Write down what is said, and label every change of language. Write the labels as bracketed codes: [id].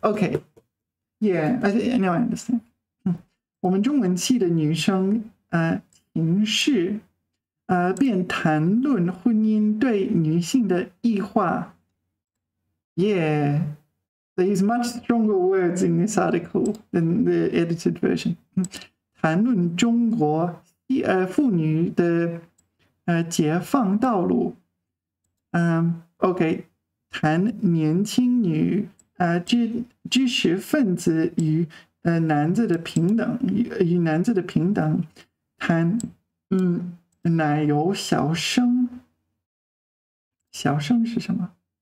[en] OK，yeah，I think I know I understand. [zh] 我们中文系的女生，平视，便谈论婚姻对女性的异化。 [en] Yeah, they use much stronger words in this article than the edited version. [zh] 谈论中国妇女的解放道路。 OK，谈年轻女知识分子与男子的平等，谈奶油小生，小生是什么？